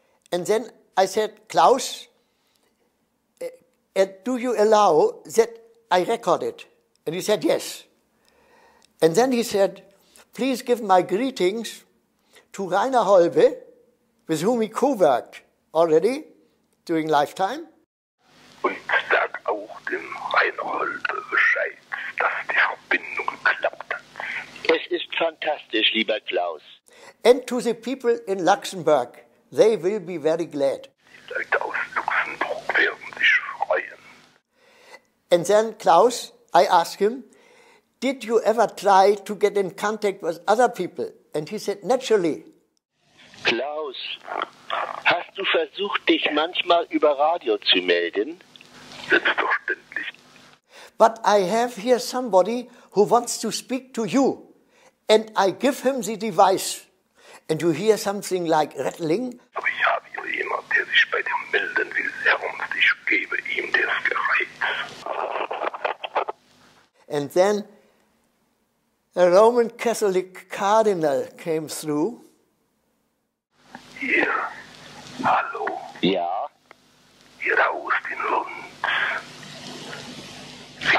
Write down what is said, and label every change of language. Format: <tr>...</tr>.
<en>And then I said, Klaus, do you allow that I record it? And he said, yes. And then he said, please give my greetings to Rainer Holbe, with whom he co-worked already during Lifetime.</en> <de>Und sag auch dem Rainer Holbe Bescheid, dass die Verbindung geklappt hat. Es ist fantastisch, lieber Klaus.</de> <en>And to the people in Luxembourg, they will be very glad.</en> <de>Die Leute aus Luxemburg werden sich freuen.</de> <en>And then, Klaus, I ask him, did you ever try to get in contact with other people? And he said, naturally.</en> <de>Klaus, hast du versucht, dich manchmal über Radio zu melden? Selbstverständlich.</de> <en>But I have here somebody who wants to speak to you. And I give him the device. And you hear something like rattling.</en> <de>Aber ich habe hier jemand, der sich bei dir melden will, Ernst. Ich gebe ihm das Gerät.</de> <en>And then a Roman Catholic cardinal came through.</en> <de>Hier, hallo. Ja. Hier August in Lund.</de>